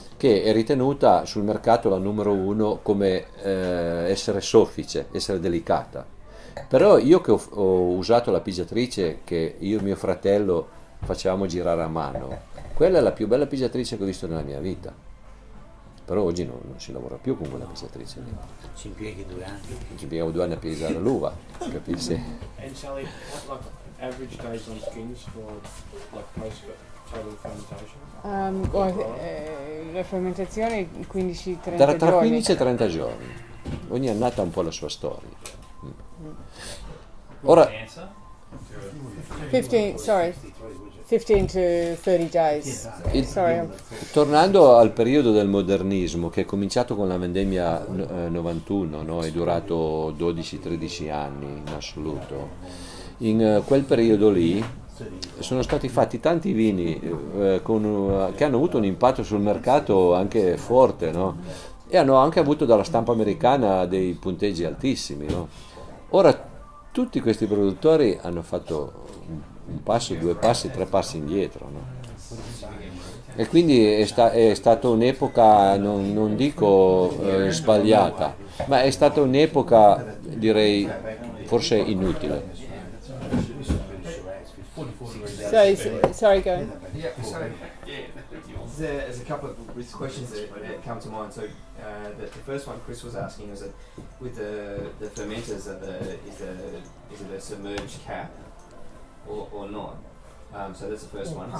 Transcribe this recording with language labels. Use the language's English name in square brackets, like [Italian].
[Italian] Che è ritenuta sul mercato la numero uno come essere soffice, essere delicata. Però io che ho usato la pigiatrice che io e mio fratello facevamo girare a mano, quella è la più bella pigiatrice che ho visto nella mia vita. Però oggi non si lavora più con quella pesatrice lì. Ci impieghi 2 anni. Ci impieghiamo 2 anni a pesare l'uva, capisci? [English] And Sally, what like average days on skins for like post-total fermentation? [Italian] La fermentazione 15-30 giorni. Tra 15 e 30 giorni. Ogni annata ha un po' la sua storia. Ora, [English] 15, sorry, 15 to 30 days. Sorry. [Italian] Tornando al periodo del modernismo, che è cominciato con la vendemmia 91, no? È durato 12-13 anni in assoluto. In quel periodo lì sono stati fatti tanti vini che hanno avuto un impatto sul mercato anche forte, no? E hanno anche avuto dalla stampa americana dei punteggi altissimi, no? Ora tutti questi produttori hanno fatto un passo, due passi, tre passi indietro, no? E quindi è stata un'epoca, non dico sbagliata, ma è stata un'epoca, direi, forse inutile. [English] Sorry, go. There's a couple of questions that come to mind. So the first one Chris was asking is that with the fermenters, is it a submerged cap or not? So that's the first one.